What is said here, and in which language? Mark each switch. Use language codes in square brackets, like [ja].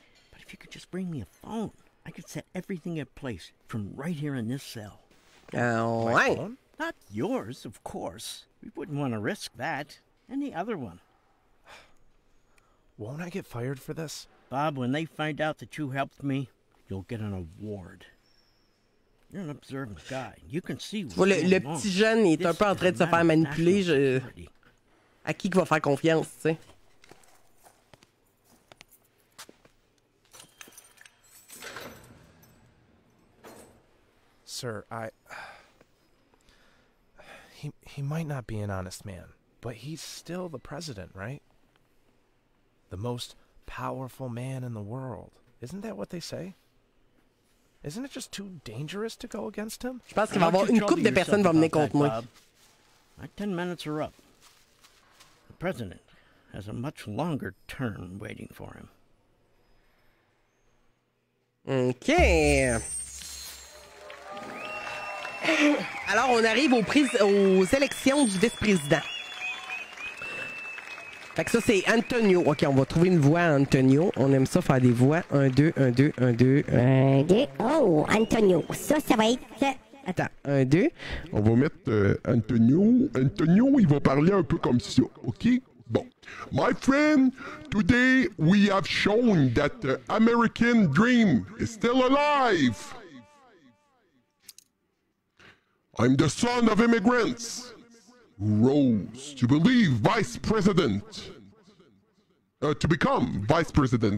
[en] But if you could just bring me a phone, I could set everything in place from right here in this cell. My phone? Not yours, of course. We wouldn't want to risk that. Any other one. Won't I get fired for this? Bob, when they find out that you helped me, you'll get an award. You're an observant guy. You can see what's going on. [fr] Le petit jeune est un peu en train de se faire manipuler. À qui va faire confiance, tu sais? [en] Sir, He might not be an honest man, but he's still the president, right? The most powerful man in the world. Isn't that what they say? Isn't it just too dangerous to go against him? [fr] Je pense qu'il va avoir une couple de personnes vont venir contre moi. [en] My 10 minutes are up. The president has a much longer term waiting for him. Okay. [fr] Alors, on arrive aux élections du vice-président. Fait que ça, c'est Antonio. OK, on va trouver une voix à Antonio. On aime ça faire des voix. 1, 2, 1, 2, 1, 2, 1, 2. Oh, Antonio. Ça va être... Attends, 1, 2. On va mettre Antonio. Antonio, il va parler un peu comme ça, OK? Bon. [en] My friend, today we have shown that the American dream is still alive. I'm the son of immigrants. Rose to believe vice president to become vice president.